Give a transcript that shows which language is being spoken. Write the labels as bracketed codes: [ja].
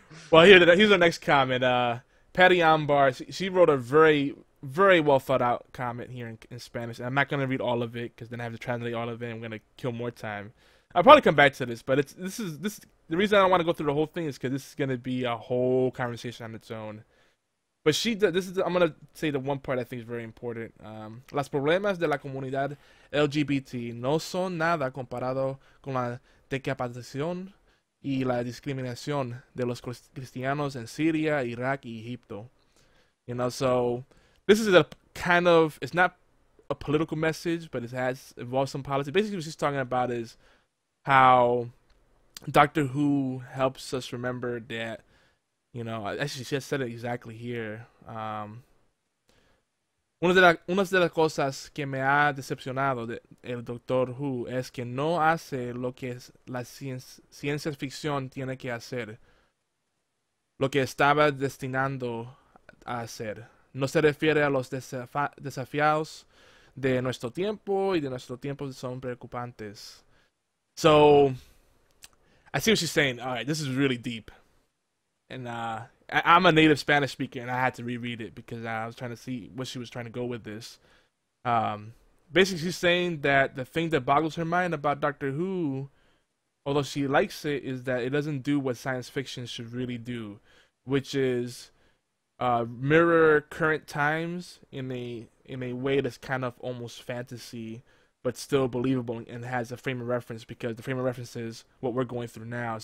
[en] Well, here's our next comment. Patty Ambar, she wrote a very, very well thought out comment here in Spanish. And I'm not going to read all of it because then I have to translate all of it. And I'm going to kill more time. I'll probably come back to this, but this is the reason I don't want to go through the whole thing is because this is going to be a whole conversation on its own. But I'm going to say the one part I think is very important. [es] Las problemas de la comunidad LGBT no son nada comparado con la decapitación y la discriminación de los cristianos en Siria, Iraq, y Egipto. [en] You know, so this is a kind of, it's not a political message, but it has involved some politics. Basically, what she's talking about is how Doctor Who helps us remember that, you know, actually, she just said it exactly here. [es] Una de las cosas que me ha decepcionado de el Doctor Who es que no hace lo que la ciencia ficción tiene que hacer, lo que estaba destinando a hacer. No se refiere a los desafíos de nuestro tiempo y de nuestro tiempo son preocupantes. [en] So, I see what she's saying. All right, this is really deep. And I'm a native Spanish speaker, and I had to reread it because I was trying to see what she was trying to go with this. Basically, she's saying that the thing that boggles her mind about Doctor Who, although she likes it, is that it doesn't do what science fiction should really do, which is mirror current times in a way that's kind of almost fantasy, but still believable and has a frame of reference because the frame of reference is what we're going through now.